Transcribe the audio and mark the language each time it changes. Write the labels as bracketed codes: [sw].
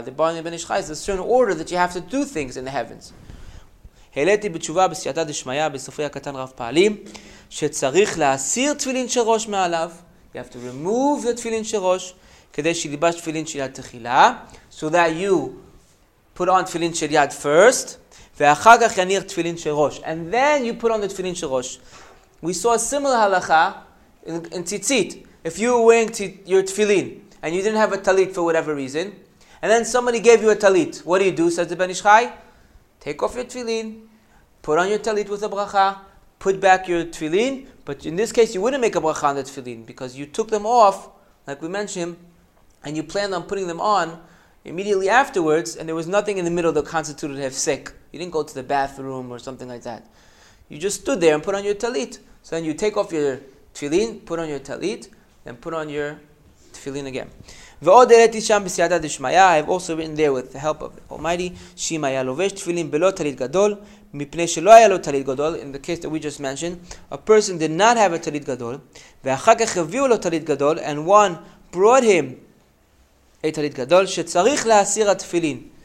[en] The bothering the Ben Ish-Chai is a certain order that you have to do things in the heavens. [he] העליתי בתשובה בסייעתא דשמיא בספרי הקטן רב פעלים, שצריך להסיר תפילין של ראש מעליו. [en] You have to remove the תפילין של ראש, [he] כדי שילבש תפילין של יד תחילה, [en] so that you put on תפילין של יד first, [he] ואחר כך יניח תפילין של ראש. [en] And then you put on the תפילין של ראש. We saw a similar הלכה in tzitzit. If you were wearing your תפילין, and you didn't have a talit for whatever reason, and then somebody gave you a talit, what do you do, says the Ben Ish-Chai? Take off your תפילין, put on your talit with a bracha, put back your תפילין, but in this case you wouldn't make a bracha on the תפילין, because you took them off, like we mentioned, and you planned on putting them on immediately afterwards, and there was nothing in the middle that constituted hefsek. You didn't go to the bathroom or something like that. You just stood there and put on your talit. So then you take off your tefillin, put on your talit, then put on your tefillin again. [he] ועוד העליתי שם בסייעתא דשמיא, [en] I have also written there with the help of the Almighty, [he] שאם היה לובש תפילין בלא תלית גדול, [en] מפני שלא היה לו תלית גדול, in the case that we just mentioned, a person did not have a תלית גדול, [he] ואחר כך הביאו לו תלית גדול, [en] and one brought him a תלית גדול, [he] שצריך להסיר התפילין,